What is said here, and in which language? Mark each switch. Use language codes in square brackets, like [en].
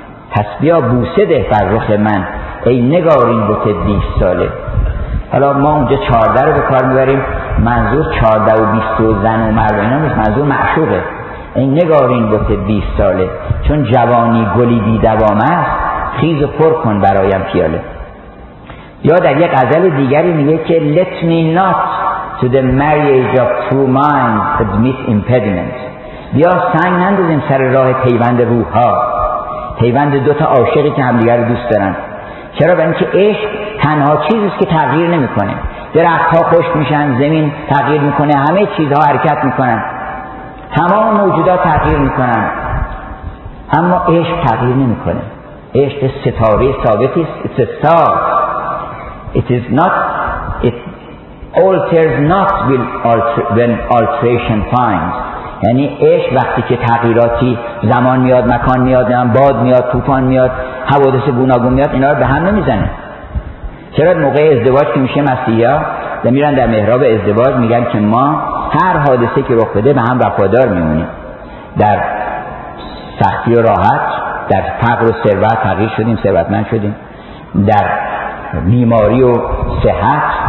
[fa] پس بیا بوسه ده بر رخ من، ای نگارین بت 20 ساله. حالا ما اونجا 14 رو به کار میبریم، منظور 14 و 20 و زن و مرد اینا نیست، منظور معشوقه. ای نگارین بت 20 ساله، چون جوانی گلی بی دوام است، خیز و پر کن برایم پیاله. یا در یک غزل دیگری میگه که [en] let me not to the marriage of two minds admit impediments. [fa] بیا سنگ نندازیم سر راه پیوند روح ها، پیوند دوتا عاشقی که همدیگر رو دوست دارن. چرا؟ برای اینکه عشق تنها چیزیست که تغییر نمی کنه. درخت ها خشک میشن، زمین تغییر میکنه، همه چیزها حرکت میکنن، تمام موجودات تغییر میکنن، اما عشق تغییر نمی کنه. عشق ستاره ثابتیست. [en] It's a star. It is not, it alters not when alteration finds. [fa] یعنی عشق وقتی که تغییراتی، زمان میاد، مکان میاد، باد میاد، طوفان میاد، حوادث گوناگون میاد، اینا رو به هم نمیزنه. چرا موقع ازدواج که میشه مسیحا میرن در محراب ازدواج میگن که ما هر حادثه که رخ بده به هم وفادار میمونیم، در سختی و راحت، در فقر و ثروت فقیر شدیم، ثروتمند شدیم، در بیماری و صحت.